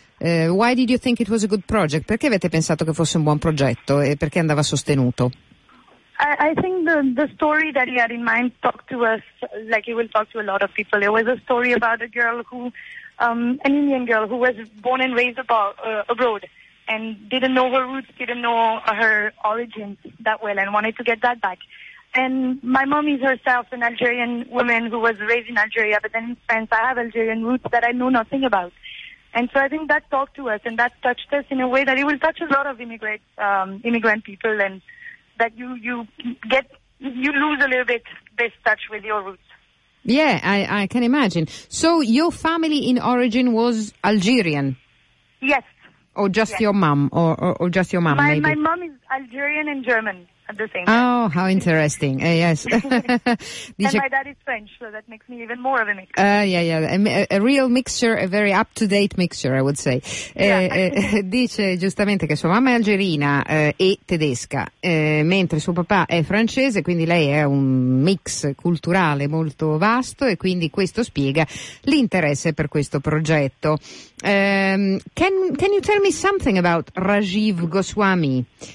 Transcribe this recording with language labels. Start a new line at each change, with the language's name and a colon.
English: Why did you think it was a good project?
Italian: Perché avete pensato che fosse un buon progetto e perché andava sostenuto?
English: I think the story that he had in mind talked to us like it will talk to a lot of people. It was a story about a girl who, an Indian girl who was born and raised abroad and didn't know her roots, didn't know her origins that well and wanted to get that back. And my mom is herself an Algerian woman who was raised in Algeria, but then in France I have Algerian roots that I know nothing about. And so I think that talked to us and that touched us in a way that it will touch a lot of immigrant people and that you lose a little bit this touch with your roots. Yeah, I can imagine. So your family in origin was Algerian? Yes. Or just your mom? Or just your mom? My mom is Algerian and German at the same time. Oh, how interesting. Yes. And my dad is French, so that makes me even more of a mixture. A real mixture, a very up-to-date mixture, I would say.
Italian: Dice giustamente che sua mamma è algerina e tedesca, mentre suo papà è francese, quindi lei è un mix culturale molto vasto e quindi questo spiega l'interesse per questo progetto.
English: Can you tell me something about Rajiv Goswami?